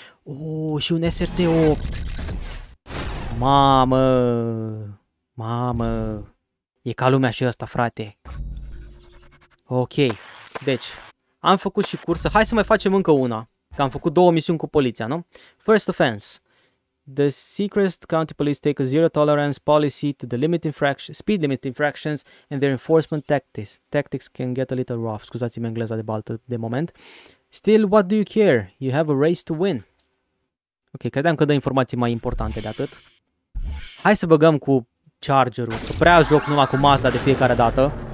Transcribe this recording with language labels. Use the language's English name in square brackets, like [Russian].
[Romanian] Uuu, și un SRT-8. Mamă! Mamă! E ca lumea și ăsta, frate. Ok, deci... Am făcut și cursă. Hai să mai facem încă una. Că am făcut două misiuni cu poliția, nu? [English] First offense. The Seacrest County Police take a zero tolerance policy to the limit infraction, speed limit infractions and their enforcement tactics. Tactics can get a little rough. [Romanian] Scuzați-mi engleza de baltă de moment. [English] Still, what do you care? You have a race to win. [Romanian] Ok, credeam că dă informații mai importante de atât. Hai să băgăm cu Charger-ul. Că prea joc numai cu Mazda de fiecare dată.